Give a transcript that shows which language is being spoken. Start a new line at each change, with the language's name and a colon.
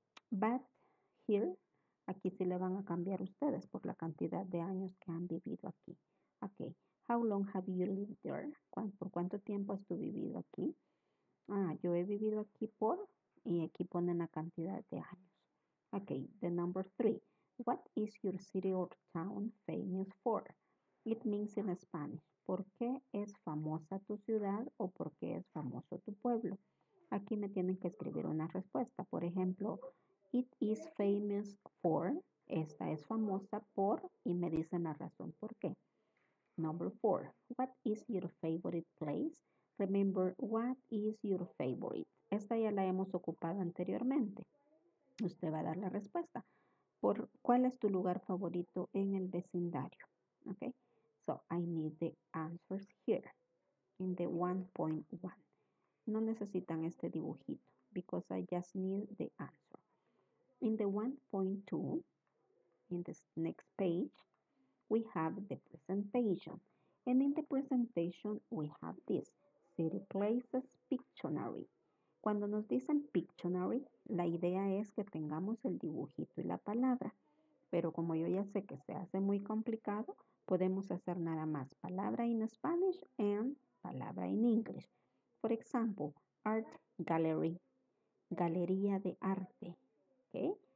English: But here,
Spanish: aquí sí le van a cambiar ustedes por la cantidad de años que han vivido aquí. Okay.
English: How long have you lived there?
Spanish: ¿Por cuánto tiempo has tú vivido aquí? Ah, yo he vivido aquí por, y aquí ponen la cantidad de años.
English: Okay, the number 3. What is your city or town famous for? It means in Spanish,
Spanish: ¿por qué es famosa tu ciudad o por qué es famoso tu pueblo? Aquí me tienen que escribir una respuesta. Por ejemplo,
English: it is famous for,
Spanish: esta es famosa por, y me dicen la razón por qué.
English: Number 4, what is your favorite place? Remember, what is your favorite?
Spanish: Esta ya la hemos ocupado anteriormente. Usted va a dar la respuesta. ¿Por cuál es tu lugar favorito en el vecindario?
English: ¿Ok? So, I need the answers here in the 1.1.
Spanish: No necesitan este dibujito
English: because I just need the answer. In the 1.2, in this next page, we have the presentation. And in the presentation, we have this City Places Pictionary.
Spanish: Cuando nos dicen Pictionary, la idea es que tengamos el dibujito y la palabra. Pero como yo ya sé que se hace muy complicado, podemos hacer nada más palabra
English: in Spanish and
Spanish: palabra
English: in English. For example, art gallery,
Spanish: galería de arte.
English: Okay?